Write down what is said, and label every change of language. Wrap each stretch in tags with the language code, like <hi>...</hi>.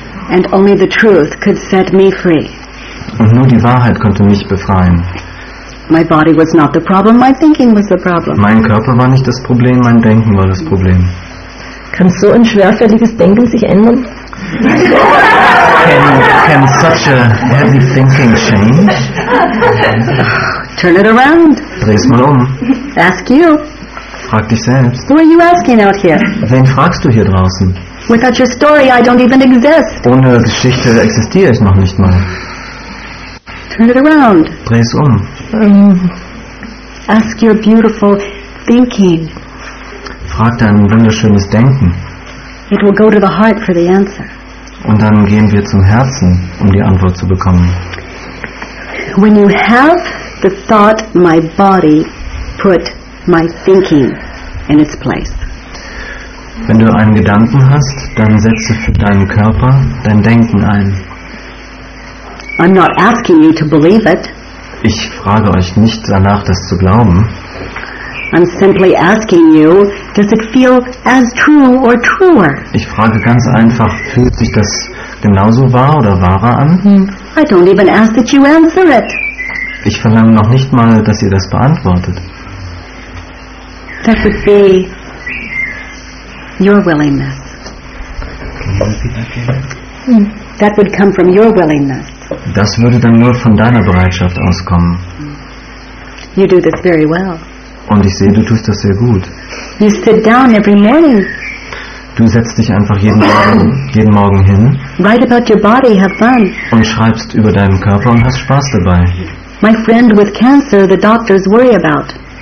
<en>And only the truth could set me free.</en> <de>Und nur die Wahrheit konnte mich befreien.</de> <en>My body was not the problem, my thinking was the problem.</en> <de>Mein Körper war nicht das Problem, mein Denken war das Problem. Kann so ein schwerfälliges Denken sich ändern?</de> <en>Can such a heavy thinking change? Turn it around.</en> <de>Dreh's mal um.</de> <en>Ask you.</en> <de>Frag dich selbst.</de> <en>Who are you asking out here?</en> <de>Wen fragst du hier draußen?</de> <en>Without your story, I don't even exist.</en> <de>Ohne Geschichte existiere ich noch nicht mal.</de> <en>Turn it around.</en> <de>Dreh's um.</de> <en>Ask your beautiful thinking.</en> <de>Frag dein wunderschönes Denken.</de> <en>It will go to the heart for the answer.</en> <de>Und dann gehen wir zum Herzen, um die Antwort zu bekommen.</de> <en>When you have the thought, my body, put my thinking in its place.</en> <de>Wenn du einen Gedanken hast, dann setze für deinen Körper dein Denken ein.</de> <en>I'm not asking you to believe it.</en> <de>Ich frage euch nicht danach, das zu glauben.</de> <en>I'm simply asking you, does it feel as true or truer?</en> <de>Ich frage ganz einfach, fühlt sich das genauso wahr oder wahrer an?</de> <en>I don't even ask that you answer it.</en> <de>Ich verlange noch nicht mal, dass ihr das beantwortet.</de> <en>That would be your willingness. That would come from your willingness.</en> <de>Das würde dann nur von deiner Bereitschaft auskommen.</de> <en>You do this very well.</en> <de>Und ich sehe, du tust das sehr gut.</de> <en>You sit down every morning.</en> <de>Du setzt dich einfach jeden Morgen hin.</de> <en>Write about your body, have fun.</en> <de>Und schreibst über deinen Körper und hast Spaß dabei.</de> <en>My friend with cancer, the doctors worry about.</en>